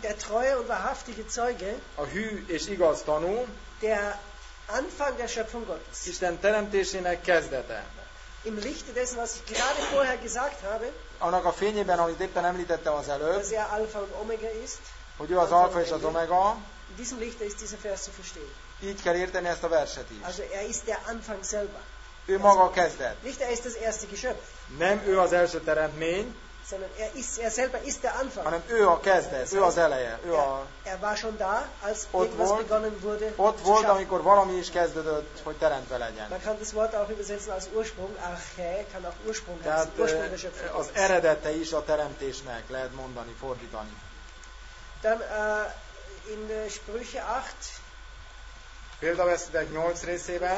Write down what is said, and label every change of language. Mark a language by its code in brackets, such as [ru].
[de] Der treue und wahrhaftige Zeuge. [hu] A hű és igaz tanú. [de] Der Anfang der Schöpfung Gottes. [hu] Isten teremtésének kezdete. [de] Im Lichte dessen, was ich gerade vorher gesagt habe. [hu] Annak a fényében, amit éppen említettem az előbb. [de] Dass er Alpha und Omega ist. [hu] Hogy ő az Alpha és az Omega. [de] In diesem Lichte ist dieser Vers zu verstehen. [hu] Így kell érteni ezt a verset is. [de] Also er ist der Anfang selber. [hu] Ő maga a kezdet. [de] Nicht er ist das erste Geschöpf. [hu] Nem ő az első teremtmény. [de] Sondern er ist, er selber ist der Anfang. [hu] Hanem ő a kezdet, ő az eleje. Ő [de] er, a... er war schon da, als irgendwas begonnen wurde. [hu] Ott volt, amikor valami is kezdődött, hogy teremtve legyen. [de] Man kann das Wort auch übersetzen als Ursprung. Arche kann auch Ursprung heißen. Tehát, Ursprung der Schöpfung. [hu] Az eredete is a teremtésnek, lehet mondani, fordítani. [de] Dann in Sprüche 8. [hu] Példaveszetek 8 részében.